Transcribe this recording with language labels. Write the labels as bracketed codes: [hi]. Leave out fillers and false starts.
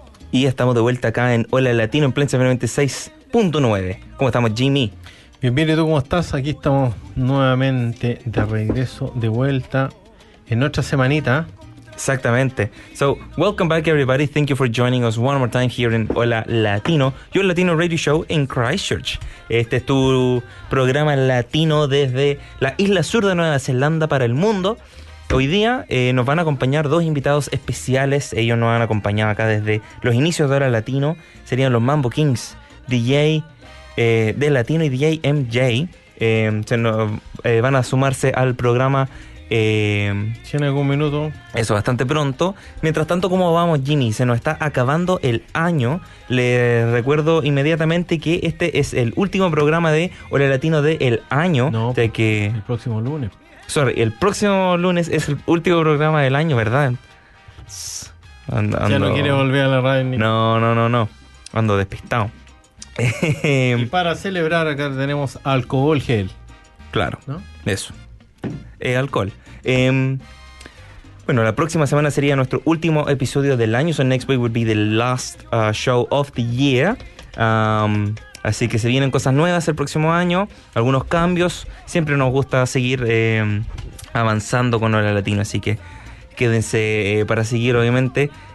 [es] Y estamos de vuelta acá en Hola Latino en Plains FM 96.9. ¿Cómo estamos, Jimmy? Bien, bien, ¿y tú cómo estás? Aquí estamos nuevamente de regreso, de vuelta, en nuestra semanita. Exactamente. [en] So, welcome back everybody. Thank you for joining us one more time here in Hola Latino, your Latino radio show in Christchurch. [es] Este es tu programa latino desde la isla sur de Nueva Zelanda para el mundo. Hoy día nos van a acompañar dos invitados especiales. Ellos nos han acompañado acá desde los inicios de Hora Latino. Serían los Mambo Kings, DJ de Latino y DJ MJ. Van a sumarse al programa. Si en algún minuto. Eso, bastante pronto. Mientras tanto, ¿cómo vamos, Jimmy? Se nos está acabando el año. Les recuerdo inmediatamente que este es el último programa de Hora Latino del año. No, de que... el próximo lunes. Sorry, el próximo lunes es el último programa del año, ¿verdad? Ando. Ya no quiere volver a la radio. Ni... No. Ando despistado. Y para celebrar acá tenemos alcohol gel. Claro, ¿no? Eso. Alcohol. Bueno, la próxima semana sería nuestro último episodio del año. [en] So next week would be the last show of the year. [es] Así que se vienen cosas nuevas el próximo año, algunos cambios. Siempre nos gusta seguir avanzando con Hola Latino, así que quédense para seguir, obviamente.